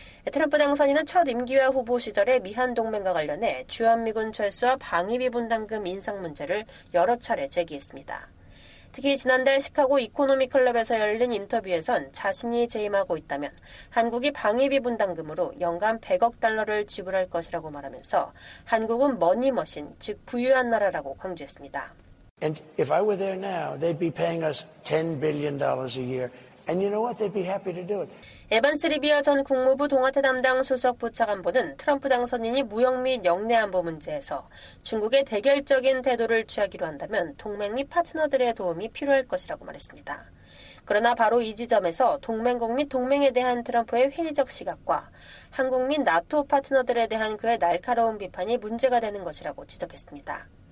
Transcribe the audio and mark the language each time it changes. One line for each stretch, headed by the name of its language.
Korean: 트럼프 당선인은 첫 임기와 후보 시절에 미한 동맹과 관련해 주한미군 철수와 방위비 분담금 인상 문제를 여러 차례 제기했습니다. 특히 지난달 시카고 이코노미 클럽에서 열린 인터뷰에선 자신이 재임하고 있다면 한국이 방위비 분담금으로 연간 100억 달러를 지불할 것이라고 말하면서 한국은 머니머신, 즉 부유한 나라라고 강조했습니다.
English: And if I were there now, they'd be paying us $10 billion a year. And you know what? They'd be happy to do it.
Korean: 에반스 리비아 전 국무부 동아태 담당 수석 부차관보는 트럼프 당선인이 무역 및 역내 안보 문제에서 중국의 대결적인 태도를 취하기로 한다면 동맹 및 파트너들의 도움이 필요할 것이라고 말했습니다. 그러나 바로 이 지점에서 동맹국 및 동맹에 대한 트럼프의 회의적 시각과 한국 및 나토 파트너들에 대한 그의 날카로운 비판이 문제가 되는 것이라고 지적했습니다.